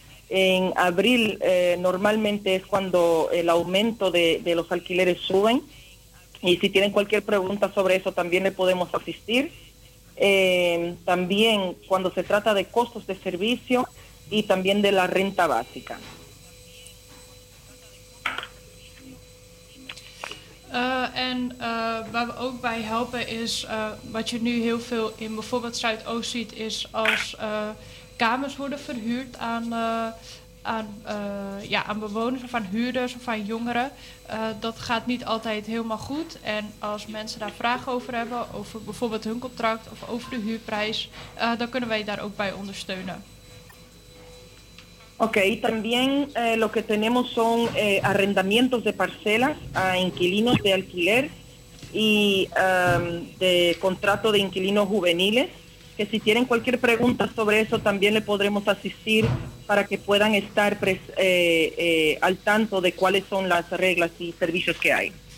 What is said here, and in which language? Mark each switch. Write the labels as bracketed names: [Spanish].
[Spanish] En abril normalmente es cuando el aumento de los alquileres suben, y si tienen cualquier pregunta sobre eso también le podemos asistir. También cuando se trata de costos de servicio, y también de la renta básica. [Dutch] En waar we ook bij helpen is, wat je nu heel veel in bijvoorbeeld Zuidoost ziet, is als kamers worden verhuurd aan, aan bewoners of aan huurders of aan jongeren. Dat gaat niet altijd helemaal goed. En als mensen daar vragen over hebben, over bijvoorbeeld hun contract of over de huurprijs, dan kunnen wij daar ook bij ondersteunen. [Spanish] Ok, y también lo que tenemos son arrendamientos de parcelas a inquilinos de alquiler y de contrato de inquilinos juveniles, que si tienen cualquier pregunta sobre eso también le podremos asistir para que puedan estar al tanto de cuáles son las reglas y servicios que hay.